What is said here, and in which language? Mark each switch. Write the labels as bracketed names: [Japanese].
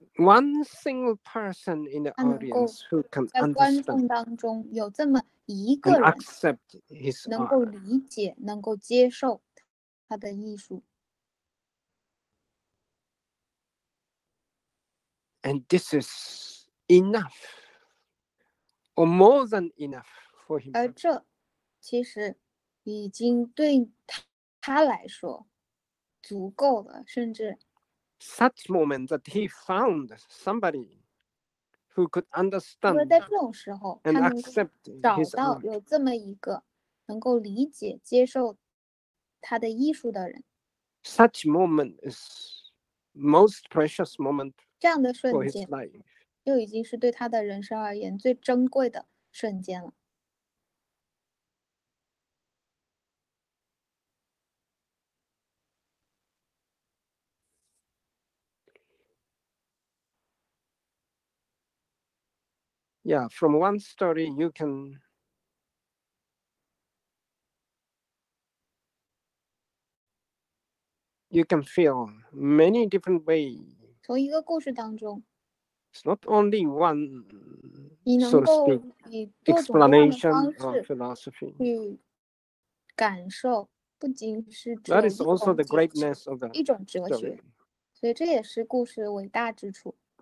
[English] one single person in the audience who can understand [Chinese] 在观众当中有这么一个人 [English] accept his art [Chinese] 能够理解，能够接受他的艺术。 [English] And this is enough. Or more than enough for him. [Chinese] 而这其实已经对他来说足够了，甚至 [English] such moment that he found somebody who could understand. [Chinese] 在这种时候，他能找到有这么一个能够理解、接受他的艺术的人。 [English] Such moment is most precious moment. [Chinese] 这样的瞬间。又已经是对他的人生而言最珍贵的瞬间了。 [English] Yeah, from one story you can feel many different ways. [Chinese] 从一个故事当中 [English] It's not only one, so to speak, explanation of philosophy. [Chinese] 感受不仅是 [English] That is also the greatness of the [Chinese] 一种哲学，所以这也是故事伟大之处。